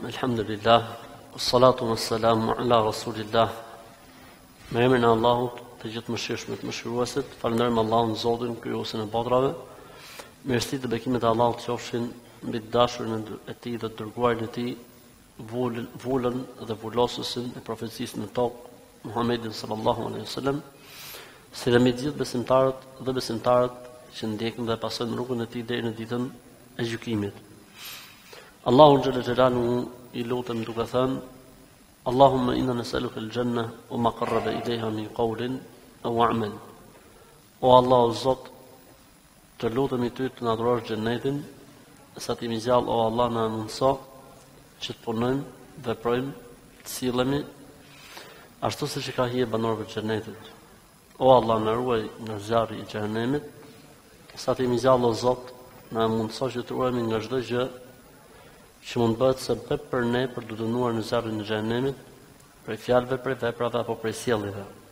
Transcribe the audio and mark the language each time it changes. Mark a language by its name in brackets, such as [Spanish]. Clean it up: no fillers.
[Arabic] الحمد لله والصلاة والسلام على رسول الله. [Albanian] Emrin Allahut, të gjithë mëshirshmit, të mëshiruesit, falënderojmë Allahun Zotin, krijuesin e botrave. Mirësitë dhe bekimet e Allahut qofshin mbi dashurin e tij dhe dërguarin e tij, vulën dhe vulosësin e profecisë në tokë, Muhammedin sallallahu alaihi wasallam. Selam të gjithë besimtarët dhe besimtarët që ndjekin dhe pasojnë rrugën e tij deri në ditën e gjykimit. Allahu xhala xhalanu i lutem duke thënë: [Arabic] اللهم إنا نسألك الجنة وما قرب إليها من قول أو عمل. [Albanian] O Allah, Zot, të lutëm i ty të na dhurosh xhenetin, sa ti më zjall, O Allah, na mëso që të punojmë, veprojmë, të sillemi ashtu siç ka hije banorëve të xhenetit. O Allah, na ruaj nga zjarri i xhenemit, sa ti më zjall, O Zot, na mëso që të ruajmë nga çdo gjë që mund bëhet sebeb për ne për të dënuar në zjarrin e xhenemit, prej fjalëve, prej veprave apo prej sjelljeve.